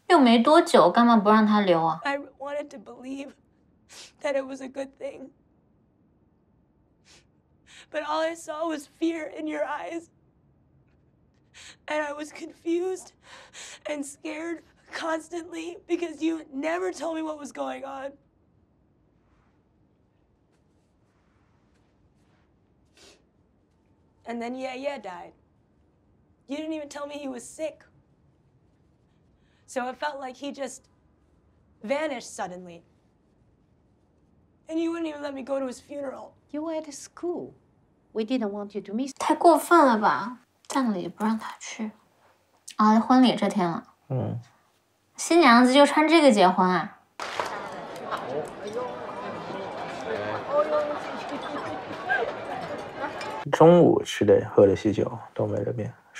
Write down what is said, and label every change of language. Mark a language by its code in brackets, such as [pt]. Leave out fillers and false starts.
[zh] 又没多久，干嘛不让他留啊？ [en] I wanted to believe that it was a good thing. But all I saw was fear in your eyes. And I was confused and scared constantly because you never told me what was going on. And then Yeah Yeah died. You didn't even tell me he was sick. So it felt like he just vanished suddenly. And you wouldn't even let me go to his funeral. You were at school. We didn't want you to miss. [zh] 太过分了吧，葬礼不让他去。啊，婚礼这天了。嗯。新娘子就穿这个结婚啊。中午吃的喝的喜酒，东北这边。